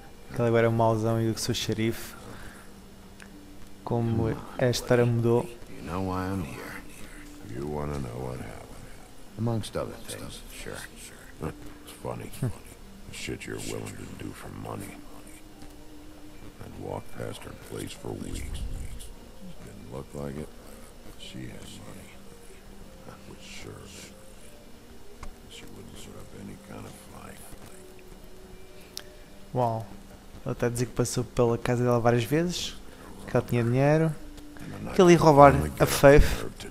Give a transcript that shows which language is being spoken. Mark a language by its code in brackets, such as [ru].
[pt] Aquele agora é o mauzão e o seu xerife. Como a história mudou. [en] You know why I'm here. You wanna know what happened. Amongst other things, sure. It's funny. The shit you're willing to do for money. I'd walk past her place for weeks. Didn't look like it. She has money. That was sure of it. She wouldn't set up any kind of fight. Uau. [pt] Ele está a dizer que passou pela casa dela várias vezes, que ela tinha dinheiro, que ele ia roubar a Faith.